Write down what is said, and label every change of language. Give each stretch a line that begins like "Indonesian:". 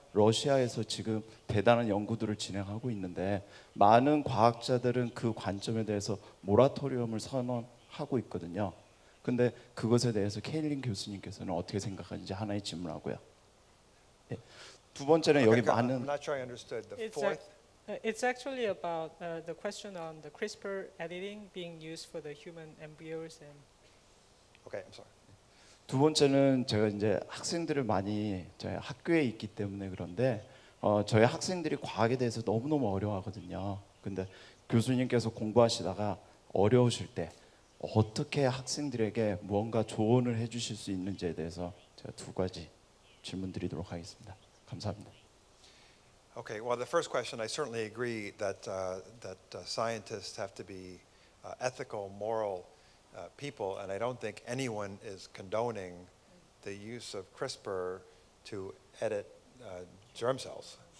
Korean: 러시아에서 지금 대단한 연구들을 진행하고 있는데 많은 과학자들은 그 관점에 대해서 모라토리엄을 선언하고 있거든요. 근데 그것에 대해서 케일린 교수님께서는 어떻게 생각하는지 하나의 질문하고요. 예. 두 번째는 okay, 여기 많은
English: I'm not sure I understood the fourth. It's actually about the question on the CRISPR editing being used for the human embryos and Okay, I'm sorry.
Korean: 두 번째는 제가 이제 학생들을 많이 저희 학교에 있기 때문에 그런데 저희 학생들이 과학에 대해서 너무너무 어려워하거든요. 근데 교수님께서 공부하시다가 어려우실 때 어떻게 학생들에게 무언가 조언을 해주실 수 있는지에 대해서 제가 두 가지 질문드리도록 하겠습니다. 감사합니다.
English: Okay, well, the first question, I certainly agree that scientists have to be ethical, moral people, and I don't think anyone is condoning the use of CRISPR to edit germ cells.